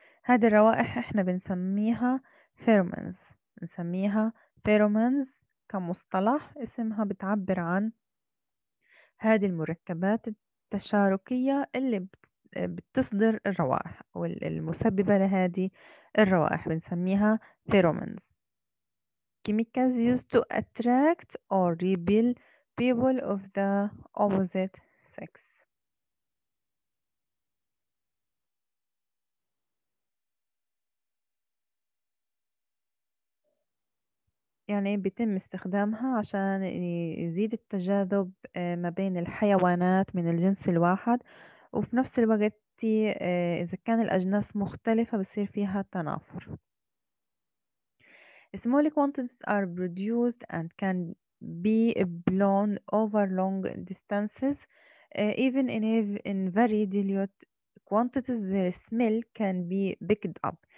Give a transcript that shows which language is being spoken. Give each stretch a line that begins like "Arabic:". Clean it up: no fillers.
Arabic: هذه الروائح احنا بنسميها pheromones، بنسميها pheromones كمصطلح، اسمها بتعبر عن هذه المركبات التشاركية اللي بتصدر الروائح أو المسببة لهذه الروائح، بنسميها pheromones.
English: chemicals used to attract or repel people of the opposite sex.
Arabic: يعني بيتم استخدامها عشان يزيد التجاذب ما بين الحيوانات من الجنس الواحد، وفي نفس الوقت إذا كان الأجناس مختلفة بصير فيها تنافر.
English: Small quantities are produced and can be blown over long distances. Even in very dilute quantities, their smell can be picked up.